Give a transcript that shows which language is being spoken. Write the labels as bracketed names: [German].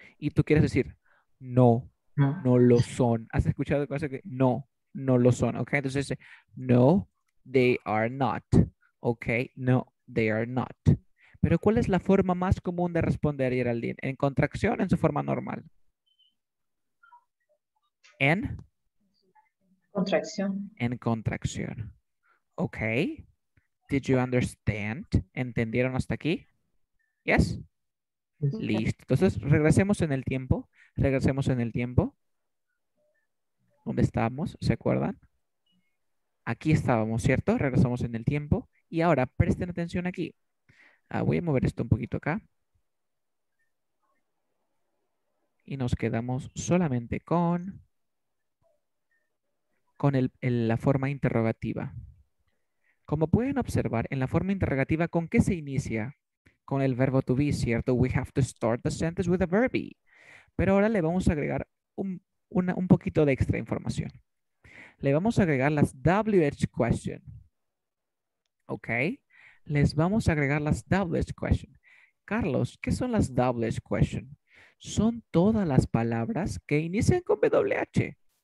[Spanish] Y tú quieres decir, no, no lo son. ¿Has escuchado cosas que no, no lo son? Ok. [English] Entonces, no, they are not. Ok. No, they are not. [Spanish] ¿Pero cuál es la forma más común de responder, Geraldine? ¿En contracción o en su forma normal? ¿En? Contracción. En contracción. [English] Ok. Did you understand? [Spanish] ¿Entendieron hasta aquí? ¿Yes? Sí. Listo. Entonces, regresemos en el tiempo. Regresemos en el tiempo. ¿Dónde estábamos? ¿Se acuerdan? Aquí estábamos, ¿cierto? Regresamos en el tiempo. Y ahora, presten atención aquí. Voy a mover esto un poquito acá. Y nos quedamos solamente con la forma interrogativa. Como pueden observar, en la forma interrogativa, ¿con qué se inicia? Con el verbo to be, ¿cierto? [English] We have to start the sentence with a verb be. [Spanish] Pero ahora le vamos a agregar un poquito de extra información. Le vamos a agregar las WH question. ¿Ok? Les vamos a agregar las WH question. Carlos, ¿qué son las WH question? Son todas las palabras que inician con WH.